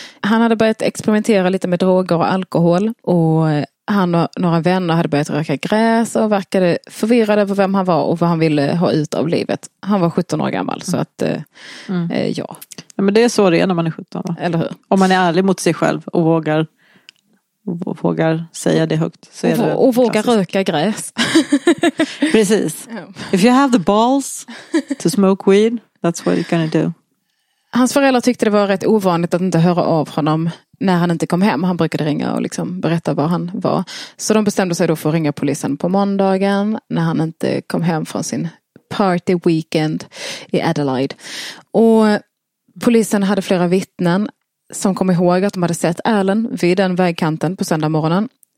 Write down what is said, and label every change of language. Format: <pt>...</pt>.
<sv>Han hade börjat experimentera lite med droger och alkohol. Och han och några vänner hade börjat röka gräs och verkade förvirrad över vem han var och vad han ville ha ut av livet. Han var 17 år gammal, så att ja. Men det är så det är när man är 17, va? Eller hur? Om man är ärlig mot sig själv och vågar säga det högt. Så är och våga röka gräs. Precis.</sv> <en>If you have the balls to smoke weed, that's what you're gonna do.</en> <sv>Hans föräldrar tyckte det var rätt ovanligt att inte höra av honom när han inte kom hem. Han brukade ringa och liksom berätta var han var. Så de bestämde sig då för att ringa polisen på måndagen när han inte kom hem från sin party weekend i Adelaide. Och polisen hade flera vittnen som kom ihåg att de hade sett Alan vid den vägkanten på söndag morgonen.</sv>